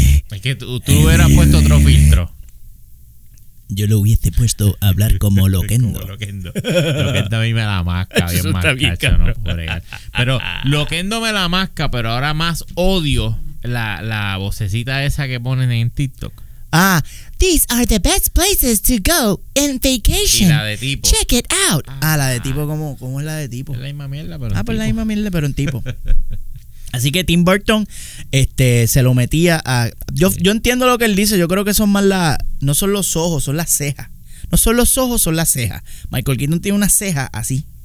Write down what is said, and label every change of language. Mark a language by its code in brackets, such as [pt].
[es] Es que tú hubieras puesto otro filtro. Yo lo hubiese puesto a hablar como Loquendo. Loquendo a mí me la masca. Bien eso está bien, cabrón. Pero Loquendo me la masca, pero ahora más odio la vocecita esa que ponen en TikTok. [en] Ah, these are the best places to go in vacation. [es] Y la de tipo. [en] Check it out. [es] La de tipo, ¿cómo es la de tipo? Es la misma mierda, pero en tipo. La misma mierda, pero en tipo. Así que Tim Burton se lo metía a... Yo entiendo lo que él dice. Yo creo que son más la... No son los ojos, son las cejas. No son los ojos, son las cejas. Michael Keaton tiene una ceja así.